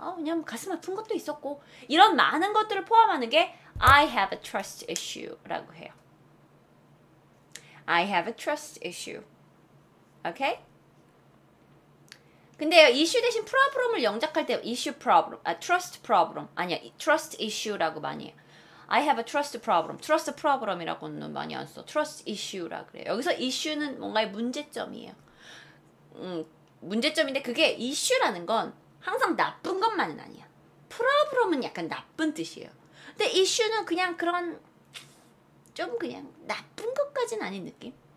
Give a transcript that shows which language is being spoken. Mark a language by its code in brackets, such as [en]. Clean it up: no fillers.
[ko] 왜냐면 가슴 아픈 것도 있었고 이런 많은 것들을 포함하는 게 [en] I have a trust issue [ko] 라고 해요. [en] I have a trust issue. Okay? [ko] 근데 이슈 대신 problem을 영작할 때 issue problem, trust problem 아니야 trust issue라고 많이 해요. [en] I have a trust problem, trust problem이라고는 [ko] 많이 안 써. Trust issue라 그래요. 여기서 issue는 뭔가의 문제점이에요. 문제점인데 그게 issue라는 건 항상 나쁜 것만은 아니야. Problem은 약간 나쁜 뜻이에요. 근데 issue는 그냥 그런 좀 그냥 나쁜 것까지는 아닌 느낌.